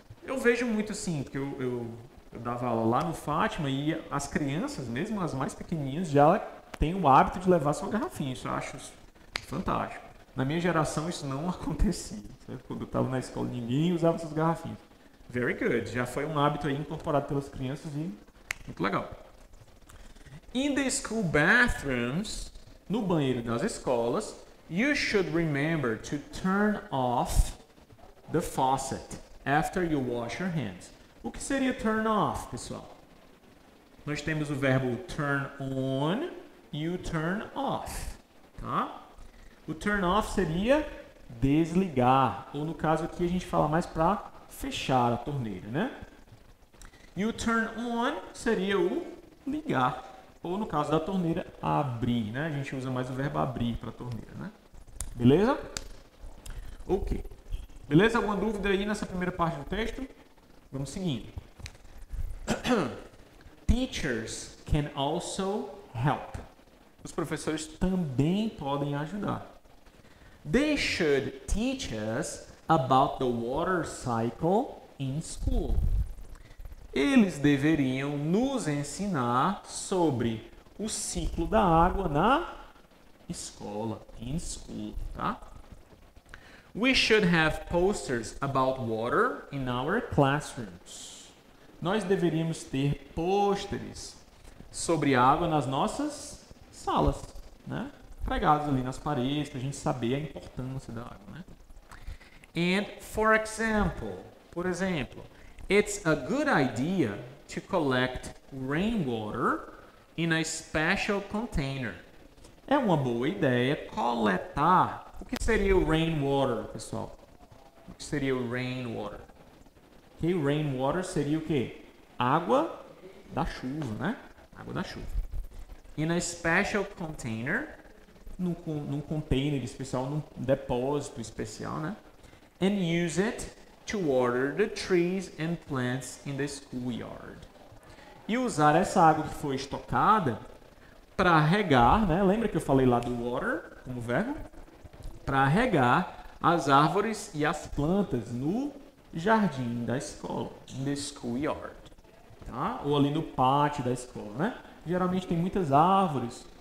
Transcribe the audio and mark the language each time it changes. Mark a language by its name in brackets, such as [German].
[Portuguese] Eu vejo muito assim, porque eu dava aula lá no Fátima e as crianças, mesmo as mais pequenininhas, já têm o hábito de levar sua garrafinha. Isso eu acho fantástico. Na minha geração isso não acontecia. Certo? Quando eu estava na escola, ninguém usava essas garrafinhas. [English] Very good. [Portuguese] Já foi um hábito aí incorporado pelas crianças e muito legal. [English] In the school bathrooms, [Portuguese] no banheiro das escolas, [English] you should remember to turn off the faucet after you wash your hands. [Portuguese] O que seria turn off, pessoal? Nós temos o verbo turn on e o turn off, tá? O turn off seria desligar, ou no caso aqui a gente fala mais para fechar a torneira, né? E o turn on seria o ligar, ou no caso da torneira, abrir, né? A gente usa mais o verbo abrir para a torneira, né? Beleza? Ok. Beleza? Alguma dúvida aí nessa primeira parte do texto? Vamos seguindo. [English] Teachers can also help. [Portuguese] Os professores também podem ajudar. [English] They should teach us about the water cycle in school. [Portuguese] Eles deveriam nos ensinar sobre o ciclo da água na escola, [English] in school, [Portuguese] tá? [English] We should have posters about water in our classrooms. [Portuguese] Nós deveríamos ter pôsteres sobre água nas nossas salas, né? Pregados ali nas paredes, para a gente saber a importância da água, né? [English] And, for example, [Portuguese] por exemplo, [English] it's a good idea to collect rainwater in a special container. [Portuguese] É uma boa ideia coletar. O que seria o rainwater, pessoal? O que seria o rainwater? Okay, rainwater seria o quê? Água da chuva, né? Água da chuva. [English] In a special container. [Portuguese] Num container especial, num depósito especial, né? [English] And use it to water the trees and plants in the schoolyard. [Portuguese] E usar essa água que foi estocada para regar, né? Lembra que eu falei lá do water como verbo? Para regar as árvores e as plantas no jardim da escola, [English] in the schoolyard, [Portuguese] tá? Ou ali no pátio da escola, né? Geralmente tem muitas árvores.